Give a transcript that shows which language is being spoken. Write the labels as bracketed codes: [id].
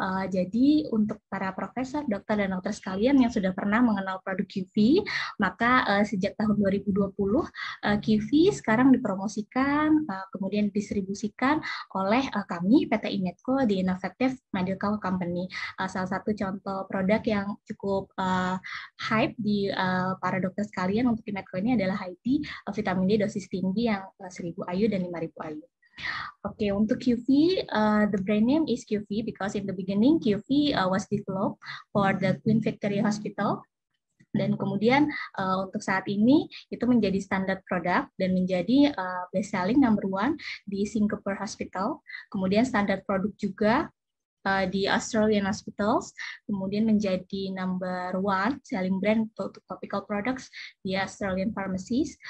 [id] Jadi untuk para profesor, dokter, dan dokter sekalian yang sudah pernah mengenal produk QV, maka sejak tahun 2020 QV sekarang dipromosikan, kemudian didistribusikan oleh kami PT IMECO, The Innovative Medical Company, salah satu contoh produk yang cukup hype di para dokter sekalian untuk IMECO ini adalah HID, vitamin D dosis tinggi yang 1000 IU dan 5000 IU. [en] Okay, untuk QV, the brand name is QV because in the beginning QV was developed for the Queen Victoria Hospital. [id] Dan kemudian untuk saat ini itu menjadi standar produk dan menjadi [en] best selling number one [id] di Singapore Hospital. Kemudian standar produk juga di Australian Hospitals. Kemudian menjadi [en] number one selling brand [id] untuk [en] topical products [id] di Australian Pharmacies.